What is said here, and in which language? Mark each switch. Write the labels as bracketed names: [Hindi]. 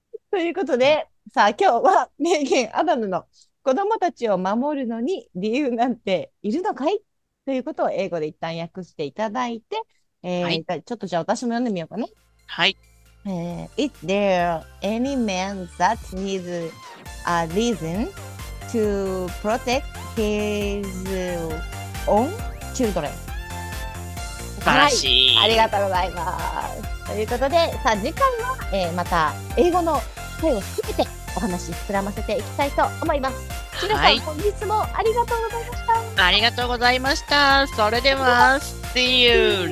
[Japanese] ということで、さあ今日は名言アダムの子供たちを守るのに理由なんているのかい？ということを英語で一旦訳していただいて、はい。ちょっとじゃあ私も読んでみようかな。はい。 [English] Is there any man that needs a reason to protect his own children? [Japanese] 素晴らはい、ありしい。がとうございます。ということで、さあ次回も、また英語の声を含めてお話膨らませていきたいと思います。千尋はさん、い。本日もありがとうございました。ありがとうございました。それでは、 [English] See you